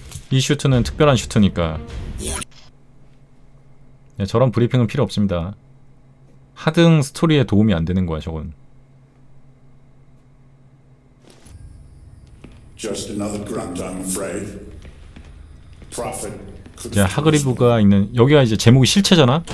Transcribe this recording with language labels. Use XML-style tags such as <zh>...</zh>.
<ko>이 슈트는 특별한 슈트니까. 네, 저런 브리핑은 필요 없습니다. 하등 스토리에 도움이 안 되는 거야 저건.</ko> <en>Just another grunt, I'm afraid. Prophet.</en> <ko>야, 하그리브가 있는 여기가 이제 제목이 실체잖아?</ko>